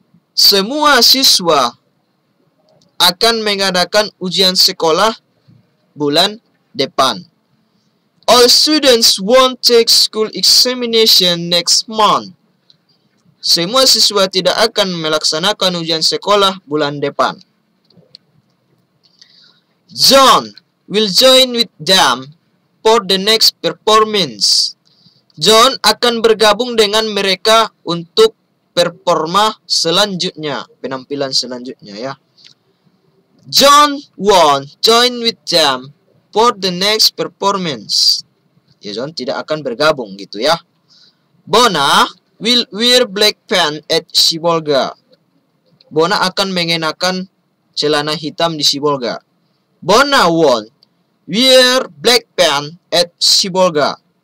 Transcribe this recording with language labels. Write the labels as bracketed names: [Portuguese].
[Indonesian] Semua siswa akan mengadakan ujian sekolah bulan depan. [English] All students won't take school examination next month. [Indonesian] Semua siswa tidak akan melaksanakan ujian sekolah bulan depan. [English] John will join with them for the next performance. [Indonesian] John akan bergabung dengan mereka untuk performa selanjutnya, penampilan selanjutnya ya. [English] John won't join with them for the next performance. [Indonesian] Ya, John tidak akan bergabung gitu ya. [English] Bona will wear black pants at Sibolga. [Indonesian] Bona akan mengenakan celana hitam di Sibolga. [English] Bona won't wear black pants at Sibolga.